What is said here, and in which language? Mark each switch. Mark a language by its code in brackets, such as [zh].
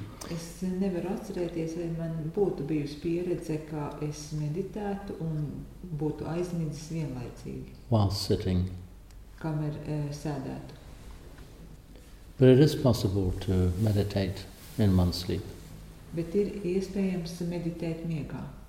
[lv] Es nevaru atcerēties, vai man būtu bijusi pieredze, ka es meditētu un būtu aizmidzis vienlaicīgi. [en] While sitting. [lv] Kamēr sēdētu. [en] But it is possible to meditate in one sleep. [lv] Bet ir iespējams meditēt miegā.